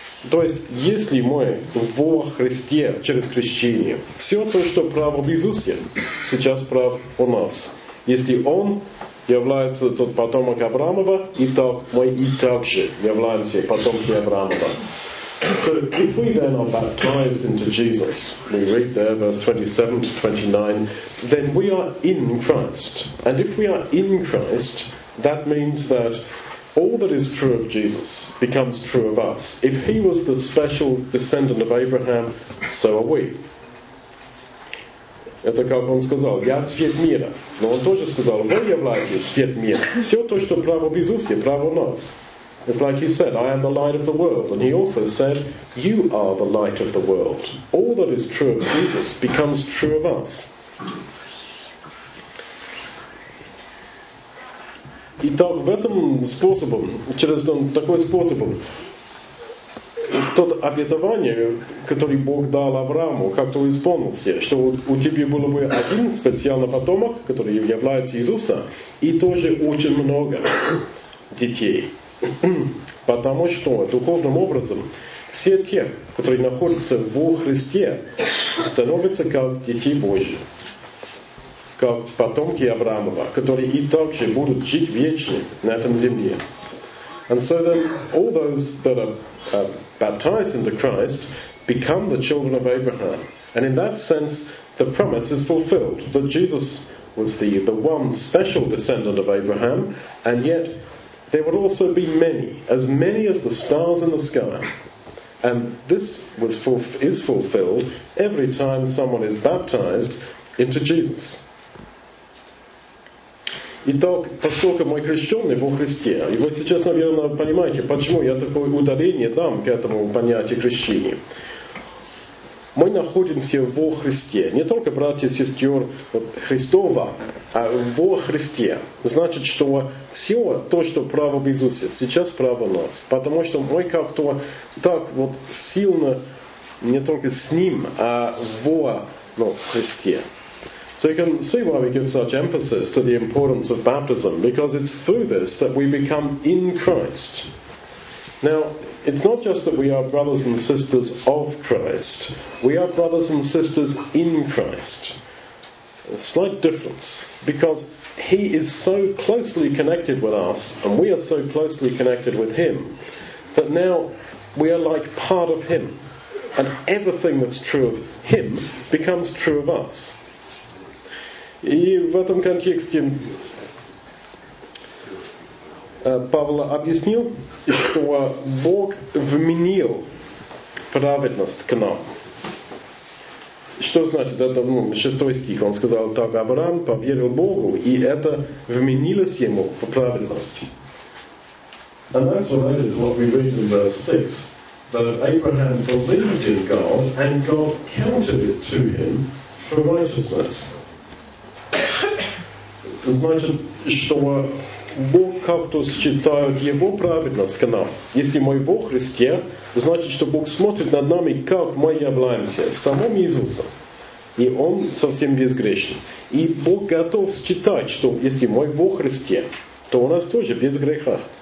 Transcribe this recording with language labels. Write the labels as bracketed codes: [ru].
[ru] То есть, если мы во Христе, через крещение, все то, что право в Иисусе, сейчас прав у нас. Если Он является тот потомок Авраамова, и так мы и также являемся потомки Авраамова. [en] So if we then are baptized into Jesus, we read there verse 27 to 29, then we are in Christ. And if we are in Christ, that means that all that is true of Jesus becomes true of us. If he was the special descendant of Abraham, so are we. [ru] Это как он сказал, я свет мира. Но он тоже сказал, вы являетесь свет мира. Все то, что право в Иисусе, право в нас. [en] It's like he said, I am the light of the world. And he also said, you are the light of the world. All that is true of Jesus becomes true of us. [ru] Итак, в этом способом, через такой способом, тот обетование, которое Бог дал Аврааму, как-то исполнился, что у тебя было бы один специальный потомок, который является Иисусом, и тоже очень много детей. Потому что духовным образом все те, которые находятся в Христе, становятся как дети Божьи, как потомки Авраамова, которые и также будут жить вечно на этом земле. [en] And so then all those that are baptized into Christ become the children of Abraham. And in that sense, the promise is fulfilled that Jesus was the one special descendant of Abraham, and yet there would also be many, as many as the stars in the sky. And this is fulfilled every time someone is baptized into Jesus. [ru] Итак, поскольку мы крещены во Христе, и вы сейчас, наверное, понимаете, почему я такое ударение дам к этому понятию крещения. Мы находимся во Христе. Не только братья и сестер Христова, а во Христе. Значит, что все то, что право в Иисусе, сейчас право в нас. Потому что мы как-то так вот сильно не только с Ним, а во Христе. [en] So you can see why we give such emphasis to the importance of baptism, because it's through this that we become in Christ. Now, it's not just that we are brothers and sisters of Christ, we are brothers and sisters in Christ. A slight difference, because he is so closely connected with us, and we are so closely connected with him, that now we are like part of him, and everything that's true of him becomes true of us. [ru] И в этом контексте Павел объяснил, что Бог вменил праведность к нам. Что значит это? Ну, 6 стих. Он сказал, так Авраам поверил Богу, и это вменилось ему по праведности. [en] And that's related to what we read in verse 6. That Abraham believed in God, and God counted it to him for righteousness. [ru] Значит, что Бог как-то считает его праведность к нам. Если мы во Христе, значит, что Бог смотрит над нами, как мы являемся в самом Иисусе. И Он совсем безгрешен. И Бог готов считать, что если мы во Христе, то у нас тоже без греха.